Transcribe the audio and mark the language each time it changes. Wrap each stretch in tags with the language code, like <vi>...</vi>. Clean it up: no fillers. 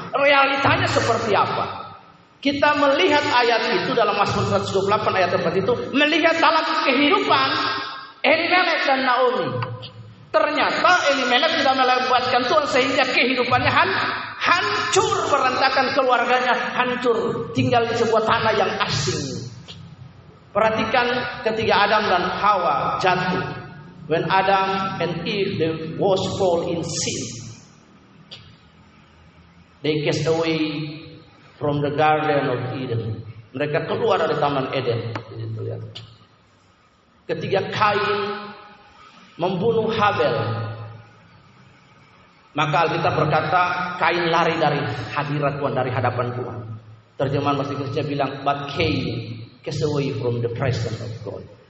<id>Realitanya seperti apa? Kita melihat ayat itu dalam Mazmur 128 ayat 4 itu, melihat dalam kehidupan Elimelek dan Naomi. Ternyata Elimelek tidak melibatkan Tuhan sehingga kehidupannya hancur, berantakan, keluarganya hancur, tinggal di sebuah tanah yang asing. Perhatikan ketika Adam dan Hawa jatuh.</id> <en>When Adam and Eve they was fall in sin, they cast away from the garden of Eden.</en> <id>Mereka keluar dari Taman Eden. Ketika Kain membunuh Habel, maka Alkitab berkata Kain lari dari hadirat Tuhan, dari hadapan Tuhan. Terjemahan bahasa Inggrisnya bilang,</id> <en>but Cain cast away from the presence of God.</en>